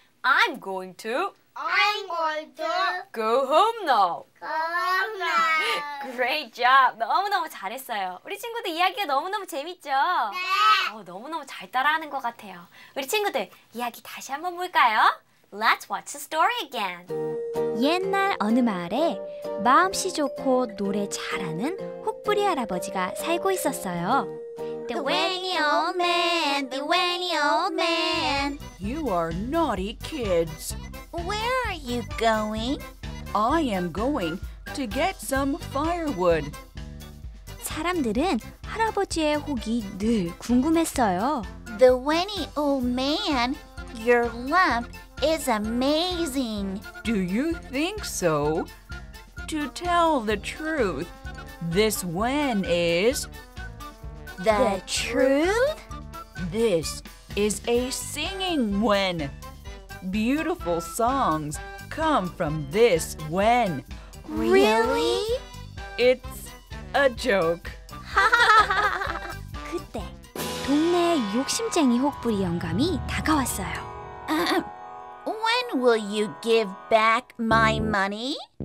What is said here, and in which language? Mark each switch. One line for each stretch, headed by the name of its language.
English: I'm going to. I'm going to. Go home now. Go home now. Great job.
Korean: 너무너무 잘했어요. 우리 친구들 이야기가 너무너무 재밌죠? 네. 너무너무 잘 따라하는 것 같아요. 우리 친구들 이야기 다시 한번 볼까요?
English: Let's watch the story again.
Korean: 옛날 어느 마을에 마음씨 좋고 노래 잘하는 혹부리 할아버지가 살고 있었어요.
English: The Wenny Old Man, the Wenny Old Man. You are naughty kids. Where are you going? I am going to get some firewood.
Korean: 사람들은 할아버지의 혹이 늘 궁금했어요.
English: The Wenny Old Man, your lump is amazing. Do you think so? To tell the truth, this wen is... The truth? This is a singing wen. Beautiful songs come from this wen. Really? It's a joke.
Korean: 그때 동네에 욕심쟁이 혹부리 영감이 다가왔어요.
English: When will you give back my money?